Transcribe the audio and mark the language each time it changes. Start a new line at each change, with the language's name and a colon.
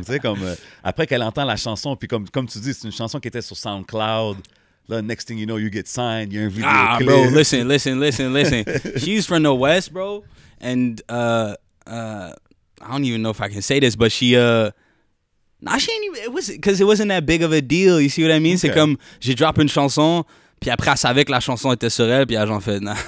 French: Tu sais, comme après qu'elle entend la chanson, puis comme tu dis, c'est une chanson qui était sur SoundCloud.
English: The next thing you know, you get signed. You're in video clip. Ah, bro, listen. She's from the West, bro. And I don't even know if I can say this, but it wasn't that big of a deal. You see what I mean? Okay.
French: C'est comme j'ai drop une chanson, puis après elle savait que la chanson était sur elle, puis elle en fait.